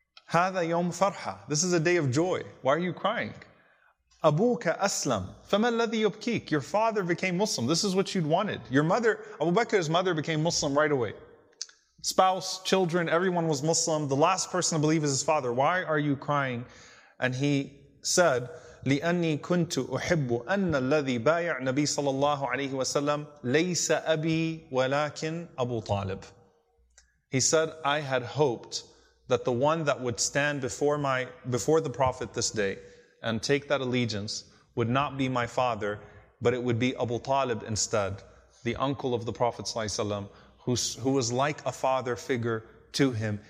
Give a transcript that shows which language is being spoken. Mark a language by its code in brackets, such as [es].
[ar] هَذَا يَوْمْ فَرْحَةً. [en] This is a day of joy. Why are you crying? [ar] أَبُوكَ أَسْلَمْ فَمَا الَّذِي يُبْكِيكَ. [en] Your father became Muslim. This is what you'd wanted. Your mother, Abu Bakr's mother became Muslim right away. Spouse, children, everyone was Muslim. The last person to believe is his father. Why are you crying? And he said, [ar] لِأَنِّي كُنْتُ أُحِبُّ أَنَّ الَّذِي بَايَعْ نَبِي صَلَى اللَّهُ عَلَيْهِ وَسَلَّمْ لَيْسَ أَبِي وَلَكِنْ أَبُو طَالِبٍ. [en] He said, I had hoped that the one that would stand before the Prophet this day and take that allegiance would not be my father, but it would be Abu Talib instead, the uncle of the Prophet who was like a father figure to him.